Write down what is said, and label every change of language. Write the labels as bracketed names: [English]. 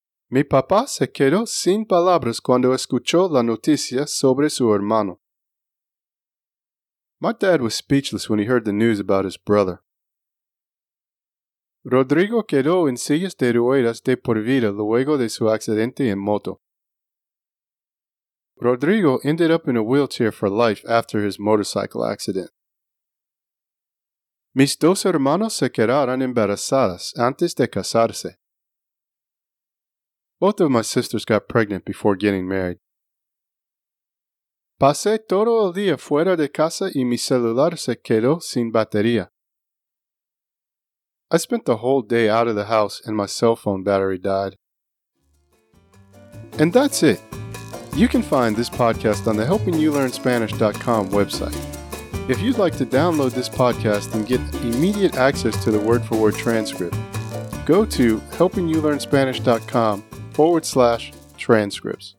[Spanish] Mi papá se quedó sin palabras cuando escuchó la noticia sobre su hermano. [English] My dad was speechless when he heard the news about his brother. [Spanish] Rodrigo quedó en sillas de ruedas de por vida luego de su accidente en moto. [English] Rodrigo ended up in a wheelchair for life after his motorcycle accident. [Spanish] Mis dos hermanos se quedaron embarazadas antes de casarse. [English] Both of my sisters got pregnant before getting married. [Spanish] Pasé todo el día fuera de casa y mi celular se quedó sin batería. [English] I spent the whole day out of the house and my cell phone battery died. And that's it. You can find this podcast on the HelpingYouLearnSpanish.com website. If you'd like to download this podcast and get immediate access to the word-for-word transcript, go to HelpingYouLearnSpanish.com/transcripts.